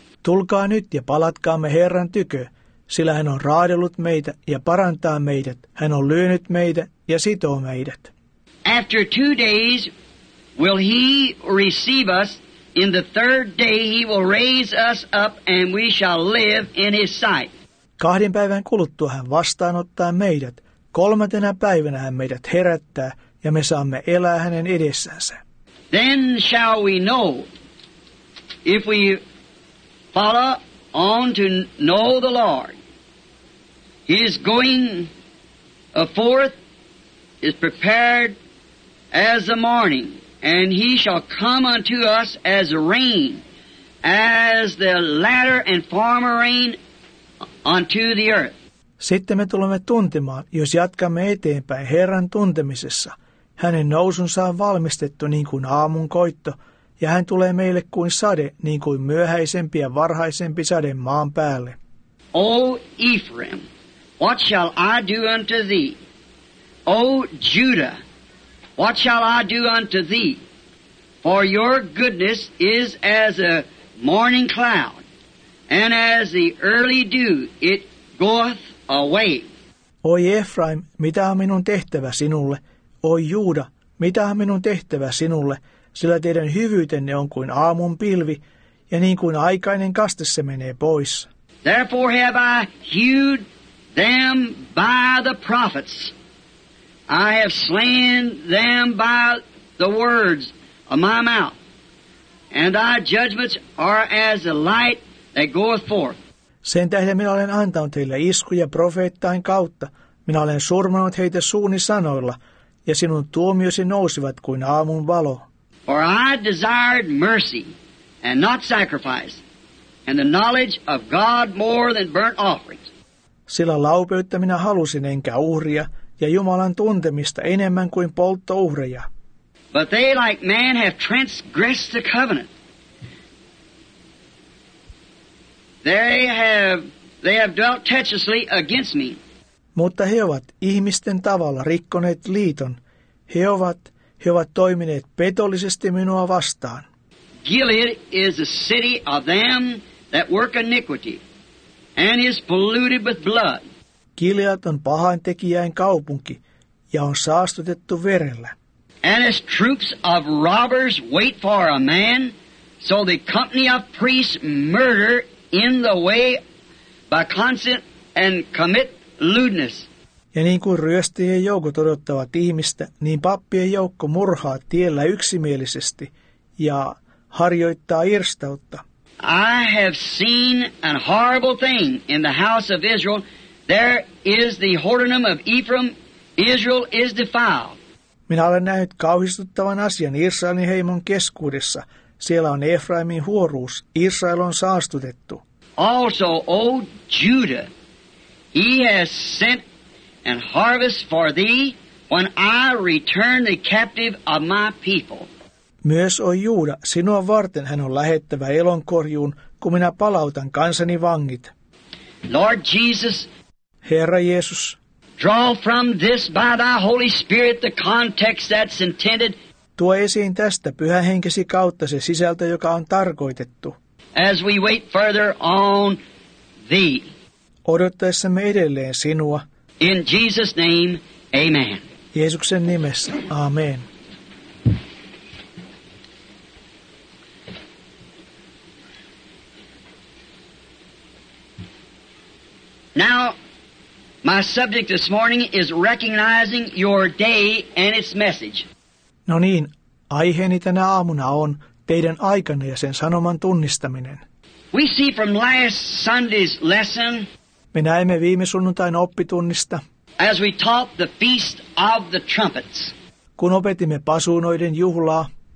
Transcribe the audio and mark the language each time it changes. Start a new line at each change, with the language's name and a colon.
Finnish: Tulkaa nyt ja palatkaamme Herran tykö, sillä hän on raadellut meitä ja parantaa meidät. Hän on lyönyt meitä ja sitoo meidät.
English: After 2 days will he receive us. In the third day he will raise us up and we shall live in his sight.
Finnish: 2 päivän kuluttua hän vastaanottaa meidät. 3. päivänä hän meidät herättää ja me saamme elää hänen edessänsä.
English: Then shall we know if we follow on to know the Lord. He is going forth, is prepared as the morning. And he shall come unto us as rain, as the latter and former rain unto the earth.
Finnish: Sitten me tulemme tuntemaan, jos jatkamme eteenpäin Herran tuntemisessa. Hänen nousunsa on valmistettu niin kuin aamun koitto, ja hän tulee meille kuin sade, niin kuin myöhäisempi ja varhaisempi sade maan päälle.
English: O Ephraim, what shall I do unto thee? O Judah, what shall I do unto thee? For your goodness is as a morning cloud, and as the early dew it goeth away.
Finnish: Oi Efraim, mitä on minun tehtävä sinulle? Oi Juuda, mitä on minun tehtävä sinulle? Sillä teidän hyvyytenne on kuin aamun pilvi, ja niin kuin aikainen kaste se menee pois.
English: Therefore have I hewed them by the prophets. I have slain them by the words of my mouth. And thy judgments are as the light that goeth forth.
Finnish: Sen tähden minä olen antanut heille iskuja profeettain kautta. Minä olen surmanut heitä suuni sanoilla, ja sinun tuomiosi nousivat kuin aamun valo.
English: For I desired mercy and not sacrifice, and the knowledge of God more than burnt offerings.
Finnish: Sillä laupeutta minä halusin enkä uhria, ja Jumalan tuntemista enemmän kuin polttouhreja.
English: But they, like man, have transgressed the covenant. They have dwelt treacherously against me.
Finnish: Mutta he ovat ihmisten tavalla rikkoneet liiton. He ovat toimineet petollisesti minua vastaan.
English: Gilead is a city of them that work iniquity, and is polluted with blood.
Finnish: Gilead on pahantekijäin kaupunki, ja on saastutettu verellä.
English: And as troops of robbers wait for a man, so the company of priests murder in the way by consent and commit lewdness.
Finnish: Ja niin kuin ryöstäjien joukot odottavat ihmistä, niin pappien joukko murhaa tiellä yksimielisesti ja harjoittaa irstautta.
English: I have seen a horrible thing in the house of Israel. There is the whoredom of Ephraim. Israel is defiled.
Finnish: Minä olen nähnyt kauhistuttavan asian Israelin heimon keskuudessa. Siellä on Efraimin huoruus. Israel on saastutettu.
English: Also, O Judah, he has sent an harvest for thee when I return the captive of my people.
Finnish: Myös, O Juuda, sinua varten hän on lähettävä elonkorjuun, kun minä palautan kansani vangit.
English: Lord Jesus,
Finnish: Herra Jeesus,
English: draw from this by thy Holy Spirit the context that's intended.
Finnish: Tuo esiin tästä Pyhän Henkesi kautta se sisältö, joka on tarkoitettu.
English: As we wait further on thee.
Finnish: Odottaessamme edelleen sinua.
English: In Jesus' name, amen.
Finnish: Jeesuksen nimessä, amen.
English: Now, my subject this morning is recognizing your day and its message.
Finnish: No niin, aiheeni tänä aamuna on teidän aikanne ja sen sanoman tunnistaminen.
English: We see from last Sunday's lesson.
Finnish: Me näemme viime sunnuntain oppitunnista.
English: As we taught the feast of the trumpets.
Finnish: Kun opetimme pasuunoiden juhlaa.